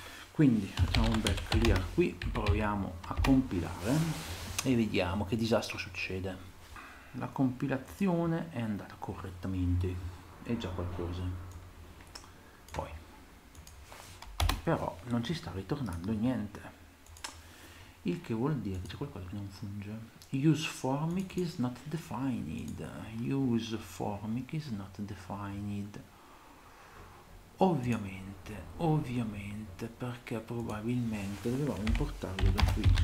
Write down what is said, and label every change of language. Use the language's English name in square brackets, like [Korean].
[Italian] Quindi facciamo un bel clear qui, proviamo a compilare e vediamo che disastro succede. La compilazione è andata correttamente, è già qualcosa. Poi, però non ci sta ritornando niente. Il che vuol dire che c'è qualcosa che non funge. [English] Use formic is not defined. Use formic is not defined. [Italian] Ovviamente, perché probabilmente dovevamo importarlo da qui.